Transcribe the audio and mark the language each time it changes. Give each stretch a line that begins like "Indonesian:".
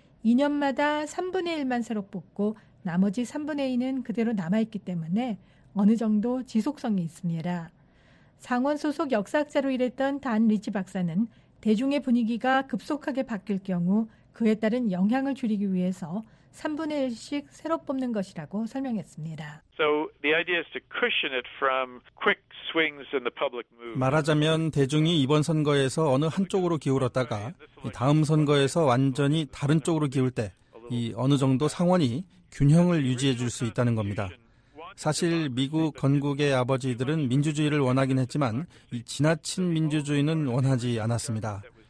Korean: 2년마다 3분의 1만 새로 뽑고 나머지 3분의 2는 그대로 남아있기 때문에 어느 정도 지속성이 있습니다. 상원 소속 역사학자로 일했던 단 리치 박사는 대중의 분위기가 급속하게 바뀔 경우 그에 따른 영향을 줄이기 위해서 3분의 1씩 새로 뽑는 것이라고 설명했습니다.
English: So the idea is to cushion it from quick swings in the public mood.
Korean: 말하자면 대중이 이번 선거에서 어느 한쪽으로 기울었다가 다음 선거에서 완전히 다른 쪽으로 기울 때 이 어느 정도 상원이 균형을 유지해 줄 수 있다는 겁니다. 사실 미국 건국의 아버지들은 민주주의를 원하긴 했지만 이 지나친 민주주의는 원하지 않았습니다.